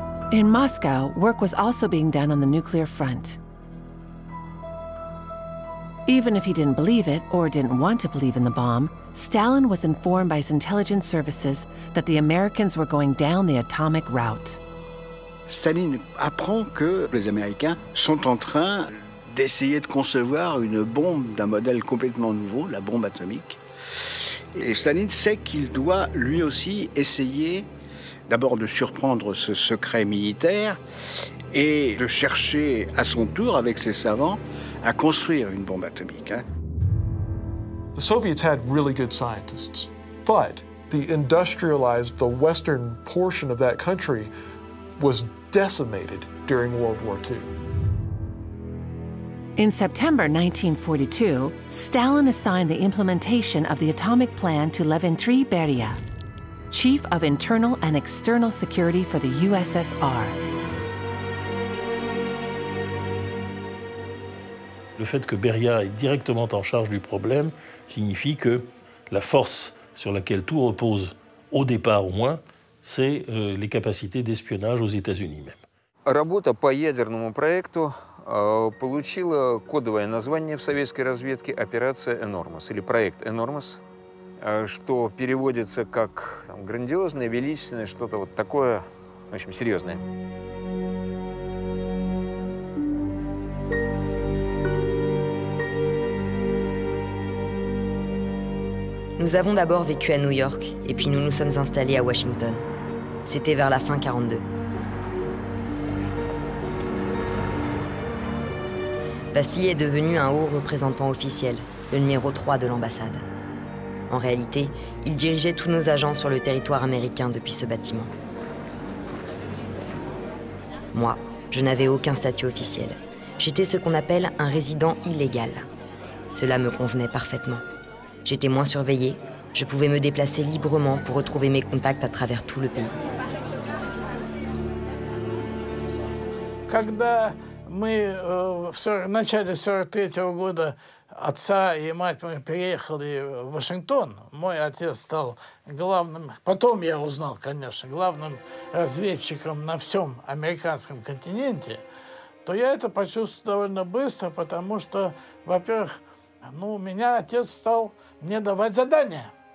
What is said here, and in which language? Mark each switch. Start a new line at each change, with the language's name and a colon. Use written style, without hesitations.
English: In Moscow, work was also being done on the nuclear front. Even if he didn't believe it or didn't want to believe in the bomb, Stalin was informed by his intelligence services that the Americans were going down the atomic route.
French: Stalin apprend que les Américains sont en train d'essayer de concevoir une bombe d'un modèle complètement nouveau, la bombe atomique. Et Stalin sait qu'il doit lui aussi essayer d'abord de surprendre ce secret militaire et de chercher à son tour avec ses savants à construire une bombe atomique.
English: The Soviets had really good scientists, but the industrialized, the western portion of that country was decimated during World War II. In September 1942, Stalin assigned the implementation of the atomic plan to Levantry Beria, chief of internal and external security for the USSR.
French: Le fait que Beria est directement en charge du problème signifie que la force sur laquelle tout repose, au départ au moins, c'est les capacités d'espionnage aux États-Unis même.
Russian: Работа по ядерному проекту получила кодовое название в советской разведке «Операция Enormous» или «Проект Enormous», что переводится как там, грандиозное, величественное, что-то вот такое, в общем, серьезное.
French: Nous avons d'abord vécu à New York, et puis nous nous sommes installés à Washington. C'était vers la fin 42. Vassili est devenu un haut représentant officiel, le numéro 3 de l'ambassade. En réalité, il dirigeait tous nos agents sur le territoire américain depuis ce bâtiment. Moi, je n'avais aucun statut officiel. J'étais ce qu'on appelle un résident illégal. Cela me convenait parfaitement. J'étais moins surveillée, je pouvais me déplacer librement pour retrouver mes contacts à travers tout le pays.
Russian: Когда мы в начале 43-го года отца и мать мы переехали в Вашингтон, мой отец стал главным, потом я узнал, конечно, главным разведчиком на всем американском континенте, то я это почувствовал довольно быстро, потому что, во-первых, ну, у меня отец стал мне давать задания.